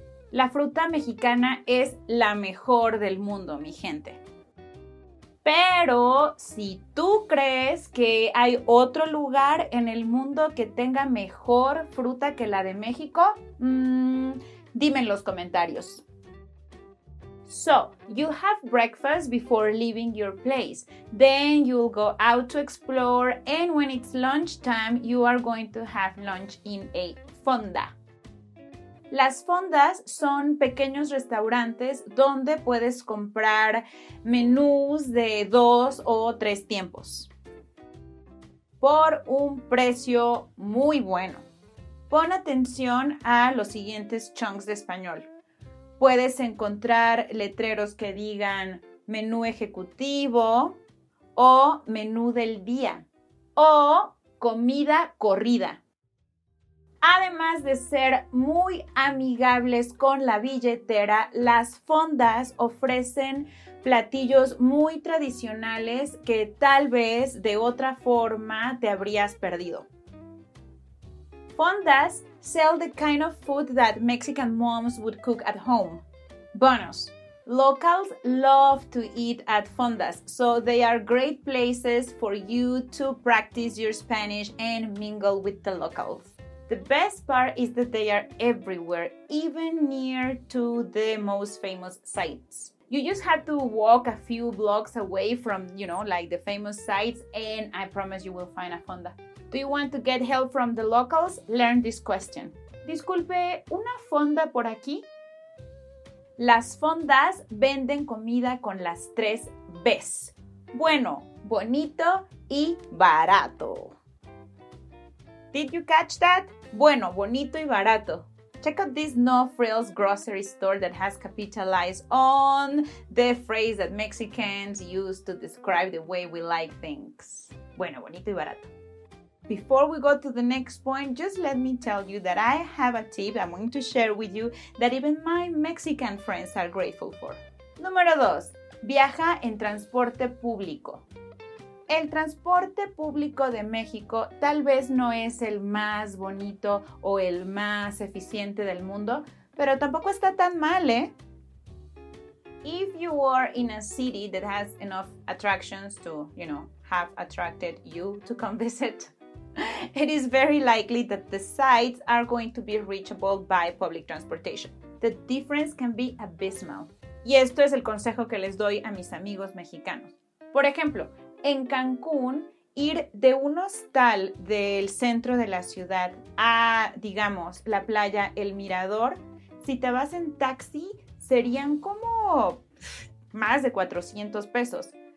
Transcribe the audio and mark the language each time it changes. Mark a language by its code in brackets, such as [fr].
[es] La fruta mexicana es la mejor del mundo, mi gente. Pero si tú crees que hay otro lugar en el mundo que tenga mejor fruta que la de México, dime en los comentarios. [en] So, you have breakfast before leaving your place. Then you'll go out to explore, and when it's lunchtime, you are going to have lunch in a fonda. [es] Las fondas son pequeños restaurantes donde puedes comprar menús de dos o tres tiempos por un precio muy bueno. Pon atención a los siguientes chunks de español. Puedes encontrar letreros que digan menú ejecutivo o menú del día o comida corrida. Además de ser muy amigables con la billetera, las fondas ofrecen platillos muy tradicionales que tal vez de otra forma te habrías perdido. [en] Fondas sell the kind of food that Mexican moms would cook at home. Bonus: locals love to eat at fondas, so they are great places for you to practice your Spanish and mingle with the locals. The best part is that they are everywhere, even near to the most famous sites. You just have to walk a few blocks away from, you know, like the famous sites, and I promise you will find a fonda. Do you want to get help from the locals? Learn this question. [es] Disculpe, ¿una fonda por aquí? Las fondas venden comida con las tres B's. Bueno, bonito y barato. [en] Did you catch that? [es] Bueno, bonito y barato. [en] Check out this no-frills grocery store that has capitalized on the phrase that Mexicans use to describe the way we like things. [es] Bueno, bonito y barato. [en] Before we go to the next point, just let me tell you that I have a tip I'm going to share with you that even my Mexican friends are grateful for. [es] Número dos, viaja en transporte público. El transporte público de México tal vez no es el más bonito o el más eficiente del mundo, pero tampoco está tan mal, ¿eh? [en] If you are in a city that has enough attractions to, you know, have attracted you to come visit, it is very likely that the sites are going to be reachable by public transportation. The difference can be abysmal. [es] Y esto es el consejo que les doy a mis amigos mexicanos. Por ejemplo, en Cancún, ir de un hostal del centro de la ciudad a, digamos, la playa El Mirador, si te vas en taxi, serían como más de 400 pesos.